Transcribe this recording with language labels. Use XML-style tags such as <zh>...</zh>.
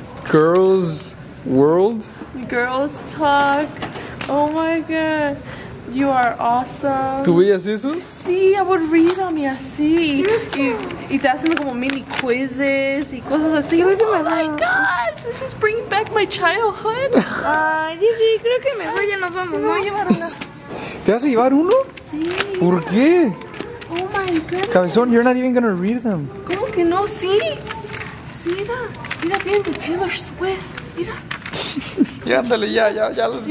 <en>Girls World. Girls Talk. Oh my god. You are awesome.</en> <es>¿Tú veías esos? Sí, aburrido a mí así. Y te hacen como mini quizzes y cosas así.</es> <en>Oh my god, this is bringing back my childhood.</en> <es>Ay, sí, creo que mejor ya nos vamos. Sí, me voy a llevar una. ¿Te vas a llevar uno? Sí. ¿Por qué?</es> <en>Oh my god. Cabezón, you're not even gonna read them.</en> <es>¿Cómo que no? Sí. Sí, mira. Mira, tienen de Taylor Swift. Mira. Y ándale, ya, ya, ya,</es> <en>let's go.</en>